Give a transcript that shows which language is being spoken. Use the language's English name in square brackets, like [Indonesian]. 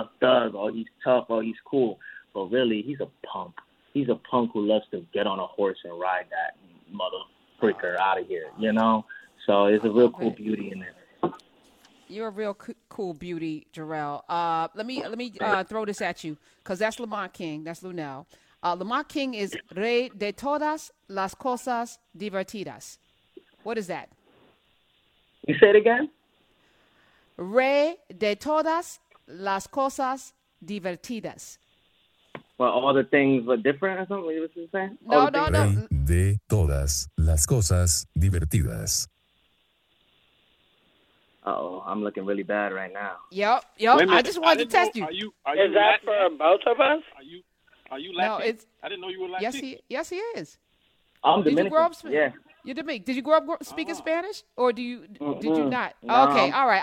[English] Oh, he's tough. Oh, he's cool. But really, he's a punk. He's a punk who loves to get on a horse and ride that mother freaker out of here, you know? So it's a real cool beauty in there. You're a real cool beauty, Jarrell. Let me throw this at you, because that's Lamont King. That's Lunel. Lamont King is [Spanish] rey de todas las cosas divertidas. [English] What is that? You say it again? [Spanish] Rey de todas las cosas divertidas. [English] Well, all the things were different or something? What you're saying? No. [Spanish] Rey de todas las cosas divertidas. [English] Uh-oh, I'm looking really bad right now. Yep. I just wanted to test you. Are you is that for both of us? Are you Latin? No, it's... I didn't know you were Latin. Yes, he is. I'm Dominican. Did you grow up... Yeah. You're Dominican. Did you grow up speaking Spanish, or did you not? No, okay, all right.